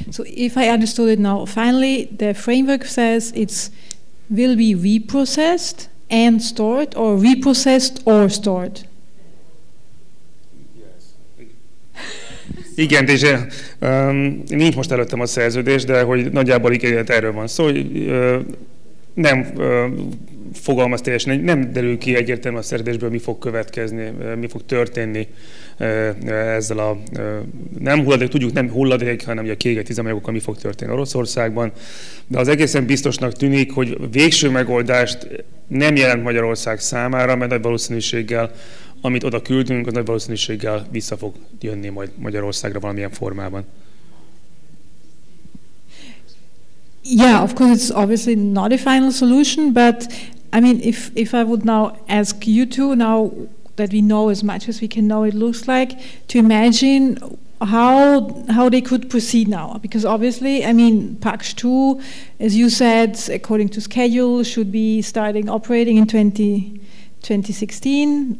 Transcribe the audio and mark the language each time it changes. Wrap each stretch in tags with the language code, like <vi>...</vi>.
<en>So if I understood it now, finally the framework says it's will be reprocessed and stored, or reprocessed, or stored? Yes.</en> <hu>Igen, és nincs most előttem a szerződés, de hogy nagyjából igényelt erről van szó, hogy nem fogalmaz teljesen, nem derül ki egyértelműen a szerződésből, mi fog következni, mi fog történni ezzel a nem hulladék, tudjuk, nem hulladék, hanem a kiégett üzemanyagokkal, mi fog történni Oroszországban. De az egészen biztosnak tűnik, hogy végső megoldást nem jelent Magyarország számára, mert nagy valószínűséggel, amit oda küldünk, az nagy valószínűséggel vissza fog jönni majd Magyarországra valamilyen formában.</hu> <en>Yeah, of course, it's obviously not a final solution, but I mean, if I would now ask you two, now that we know as much as we can know, it looks like, to imagine how they could proceed now. Because obviously, I mean, PAKSH 2, as you said, according to schedule, should be starting operating in 2016.</en>